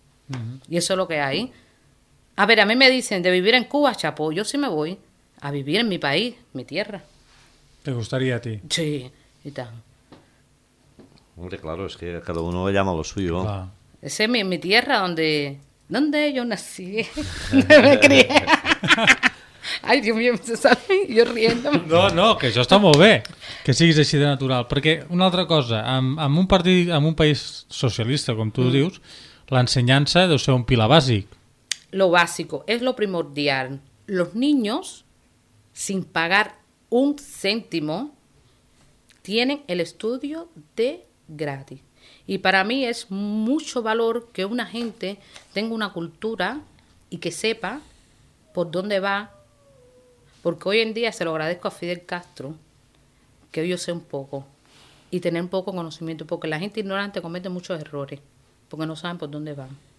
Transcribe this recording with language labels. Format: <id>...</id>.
<es>Uh-huh. Y eso es lo que hay. A ver, a mí me dicen de vivir en Cuba, chapo, yo sí me voy a vivir en mi país, mi tierra. ¿Te gustaría a ti? Sí, y tal. Hombre, claro, es que cada uno le llama lo suyo. Claro. Esa es mi tierra donde yo nací, donde me crié. Ay, Dios mío, se sabe, yo riéndome.</es> <ca>No, no, que això està molt bé, que siguis així de natural. Perquè una altra cosa, amb un partit, amb un país socialista, com tu dius, l'ensenyança deu ser un pilar bàsic.</ca> <es>Lo básico, es lo primordial. Los niños, sin pagar un céntimo, tienen el estudio de... gratis. Y para mí es mucho valor que una gente tenga una cultura y que sepa por dónde va, porque hoy en día se lo agradezco a Fidel Castro, que yo sé un poco y tener un poco de conocimiento, porque la gente ignorante comete muchos errores, porque no saben por dónde van.</es>